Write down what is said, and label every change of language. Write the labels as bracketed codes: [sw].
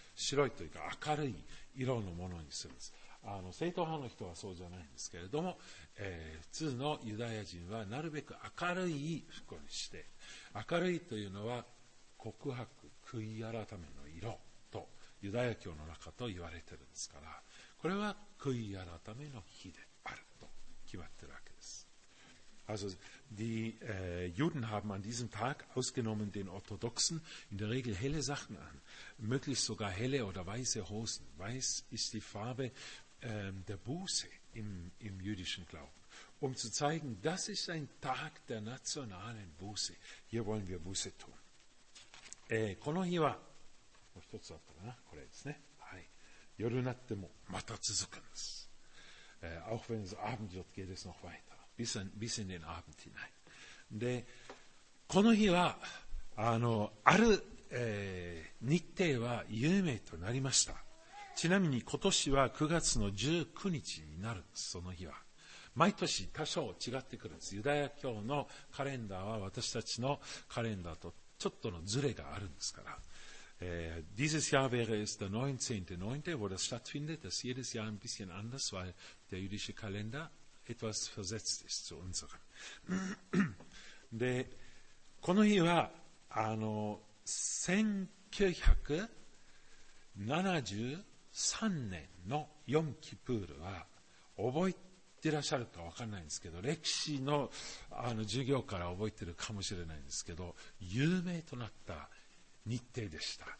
[ja] 白いというか明るい色のものにするんです。正統派の人はそうじゃないんですけれども、普通のユダヤ人はなるべく明るい服にして、明るいというのは告白、悔い改めの色とユダヤ教の中と言われているんですから、これは悔い改めの日であると決まっているわけです。 [de] Also die Juden haben an diesem Tag ausgenommen den Orthodoxen in der Regel helle Sachen an, möglichst sogar helle oder weiße Hosen. Weiß ist die Farbe der Buße im jüdischen Glauben, um zu zeigen, das ist ein Tag der nationalen Buße. Hier wollen wir Buße tun. [ja] この日は、もう一つあったかな、これですね。はい。夜になってもまた続くんです。 [de] Auch wenn es Abend wird, geht es noch weiter. Bis in den Abend hinein. [ja] で、この日は、ある、日程は有名となりました。ちなみに今年は9月の19日になるんです。その日は毎年多少違ってくるんです。ユダヤ教のカレンダーは私たちのカレンダーとちょっとのズレがあるんですから、 [de] dieses Jahr wäre es der 19.9. wo das stattfindet, das jedes Jahr ein bisschen anders, weil der jüdische Kalender etwas versetzt ist zu unserem. [ja] で、この日は1973年のヨムキプールは、覚えてらっしゃるか分からないんですけど、歴史 の授業から覚えてるかもしれないんですけど、有名となった日程でした。